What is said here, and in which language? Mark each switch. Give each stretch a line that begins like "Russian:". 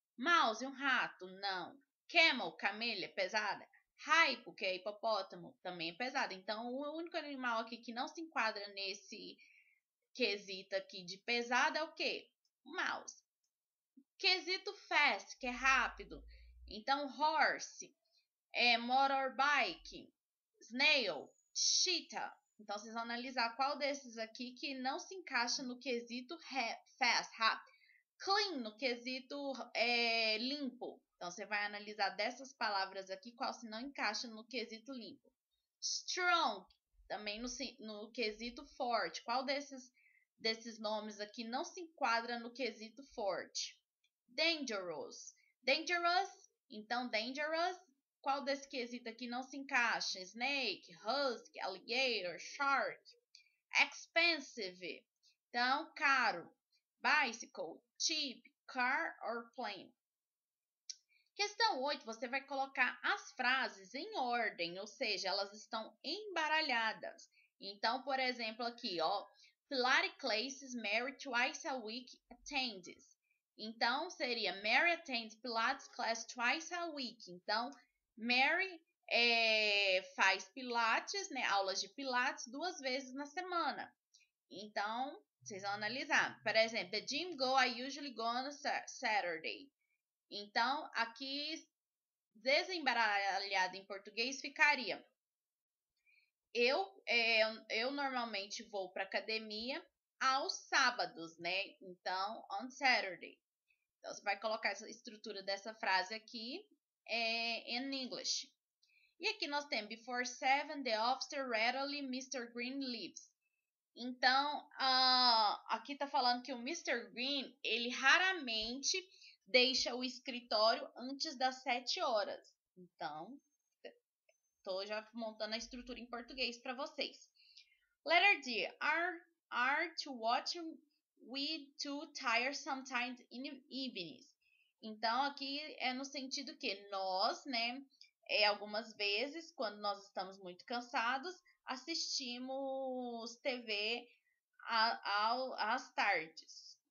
Portuguese: Mouse, um rato, não. Camel, camelha, é pesada. Hypo, que é hipopótamo, também é pesada. Então, o único animal aqui que não se enquadra nesse quesito aqui de pesado é o quê? Mouse. Quesito fast, que é rápido.
English: Então, horse, motorbike, snail, cheetah.
Portuguese: Então, vocês vão analisar qual desses aqui que não se encaixa no quesito fast, rápido. Clean, no quesito limpo. Então, você vai analisar dessas palavras aqui qual se não encaixa no quesito limpo. Strong, também no quesito forte. Qual desses nomes aqui não se enquadra no quesito forte?
English: Dangerous. Dangerous, então dangerous.
Portuguese: Qual desse quesito aqui não se encaixa?
English: Snake, husky, alligator, shark. Expensive.
Portuguese: Então, caro.
English: Bicycle, cheap, car or plane.
Portuguese: Questão 8, você vai colocar as frases em ordem, ou seja, elas estão embaralhadas. Então, por exemplo, aqui, ó,
English: Pilates classes Mary twice a week attends.
Portuguese: Então, seria
English: Mary attends Pilates class twice a week.
Portuguese: Então, Mary faz Pilates, né, aulas de Pilates 2 vezes na semana. Então, vocês vão analisar. Por exemplo,
English: the gym go I usually go on a Saturday.
Portuguese: Então, aqui desembaralhado em português ficaria: eu normalmente vou para academia aos sábados, né? Então,
English: on Saturday.
Portuguese: Então, você vai colocar essa estrutura dessa frase aqui
English: in English.
Portuguese: E aqui nós temos:
English: before 7, the officer rarely Mr. Green leaves.
Portuguese: Então, aqui está falando que o Mr. Green, ele raramente deixa o escritório antes das 7 horas. Então, estou já montando a estrutura em português para vocês.
English: Letter D. Are to watch we too tired sometimes in evenings.
Portuguese: Então, aqui é no sentido que nós, né, algumas vezes, quando nós estamos muito cansados, assistimos TV às tardes.